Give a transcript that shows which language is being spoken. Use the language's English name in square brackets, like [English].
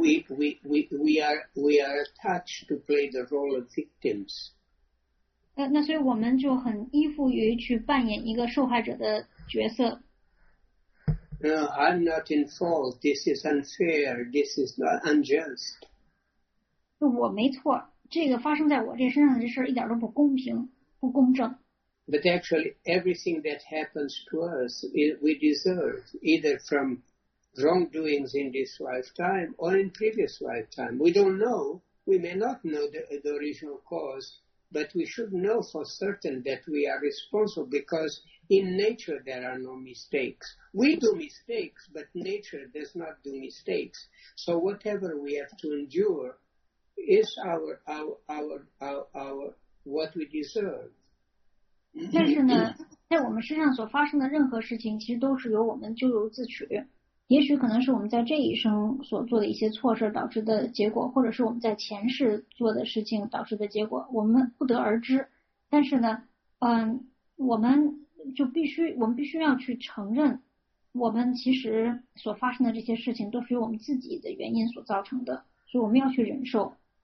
[English] We are attached to play the role of victims. [Chinese] 那所以我们就很依附于去扮演一个受害者的角色。 [English] No, I'm not in fault. This is unfair. This is not unjust. [Chinese] 我没错。这个发生在我这身上的事一点都不公平不公正。 [English] But actually, everything that happens to us, we deserve, either from wrongdoings in this lifetime or in previous lifetime. We don't know, we may not know the original cause, but we should know for certain that we are responsible, because in nature there are no mistakes. We do mistakes, but nature does not do mistakes. So whatever we have to endure,is our what we deserve. [Chinese] 但是呢，在我们身上所发生的任何事情，其实都是由我们咎由自取。也许可能是我们在这一生所做的一些错事导致的结果，或者是我们在前世做的事情导致的结果，我们不得而知。但是呢，我们必须要去承认，我们其实所发生的这些事情都是由我们自己的原因所造成的，所以我们要去忍受。